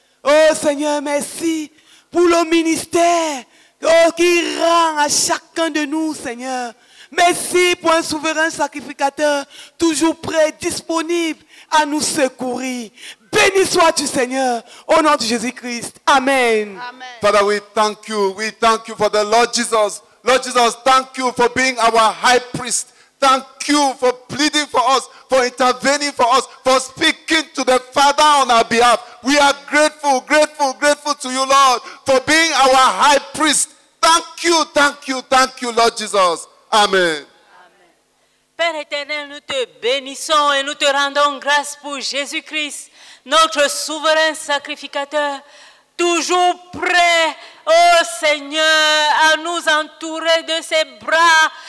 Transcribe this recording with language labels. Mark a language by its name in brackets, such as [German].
[French] Oh, Seigneur, merci pour le ministère qui rend à chacun de nous, Seigneur. Merci pour un souverain sacrificateur toujours prêt, disponible à nous secourir. Béni sois-tu, Seigneur, au nom de Jésus-Christ. Amen. [English] Amen. Father, we thank you. We thank you for the Lord Jesus. Lord Jesus, thank you for being our high priest. Thank you for pleading for us, for intervening for us, for speaking to the Father on our behalf. We are grateful, grateful, grateful to you, Lord, for being our high priest. Thank you, thank you, thank you, Lord Jesus. Amen. Amen. [French] Père éternel, nous te bénissons et nous te rendons grâce pour Jésus-Christ, notre souverain sacrificateur, toujours prêt, oh Seigneur, à nous entourer de ses bras.